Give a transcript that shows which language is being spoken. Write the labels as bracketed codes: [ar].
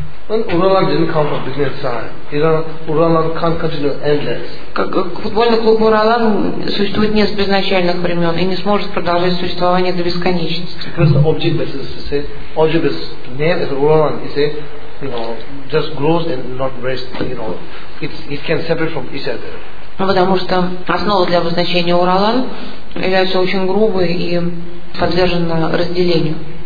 [en] Uralan didn't come from business side. Uralan can't continue endless. [ru] Как футбольный клуб Уралан существует не с безначальных времен и не сможет продолжать существование до бесконечности. [en] Because object basis, you say, object is name is Uralan, you say, you know, just grows and not rests, you know, it can separate from each other. [ru] Ну, потому что основа для обозначения Уралан является очень грубой и подвержена разделению.